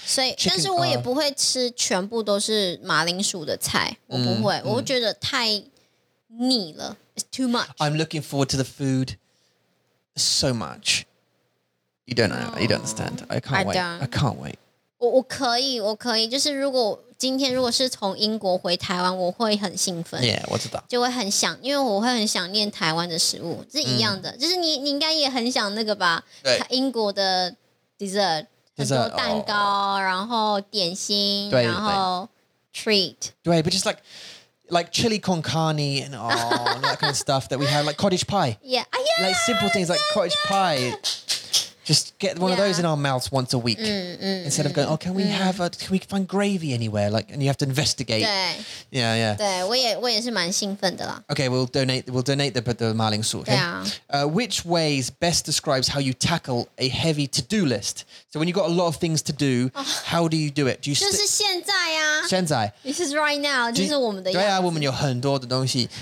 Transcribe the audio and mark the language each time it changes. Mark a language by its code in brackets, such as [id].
[zh] 所以，但是我也不会吃全部都是马铃薯的菜，我不会，我觉得太腻了. [en] It's too much. I'm looking forward to the food so much. You don't know. You don't understand. I can't wait. I can't wait. [zh] 我可以，就是如果今天如果是从英国回台湾，我会很兴奋。 [en] Yeah, [zh] 我知道，就会很想，因为我会很想念台湾的食物，是一样的。就是你应该也很想那个吧？对，英国的 dessert，很多蛋糕，然后点心，然后 treat。对，but [en] just like chili con carne and all that kind of stuff that we have, like cottage pie. Yeah, yeah. Like simple things like cottage pie. Just get one of those in our mouths once a week instead of going, oh, can we have a, can we find gravy anywhere? Like, and you have to investigate. [zh] 对, [en] yeah, yeah. [zh] 对,我也是蛮兴奋的啦。 [en] Okay, we'll donate the 马铃薯, okay? Yeah. Which ways best describes how you tackle a heavy to-do list? So when you've got a lot of things to do, how do you do it? Do you [zh] 就是现在啊。现在。 [en] This is right now, [zh] 就是我们的样子。对啊,我们有很多的东西。